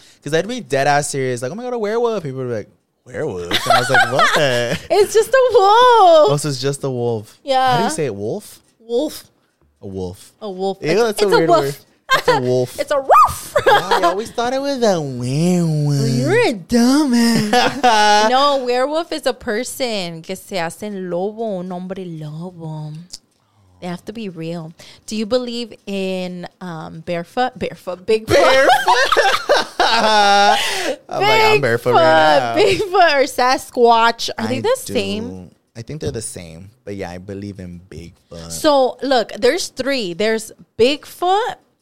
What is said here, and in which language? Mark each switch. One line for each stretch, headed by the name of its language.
English: Because I'd be dead ass serious. Like, oh my God, a werewolf. People would be like, werewolf? And I was like, what? It's just a wolf. Oh, so it's just a wolf. Yeah. How do you say it? Wolf? Wolf. A wolf. A wolf. Ew, that's it's a weird wolf. Word. It's a wolf. It's a wolf. Wow, I always thought it was a werewolf. You're a dumbass. No, werewolf is a person.
Spanish: Que se hacen lobo, un hombre lobo.
English: They have to be real. Do you believe in barefoot? Barefoot, Bigfoot. Barefoot? I'm like, I'm barefoot right now. Bigfoot or Sasquatch. Are they the same? I think they're the same. But yeah, I believe in Bigfoot. So look, there's three. There's Bigfoot.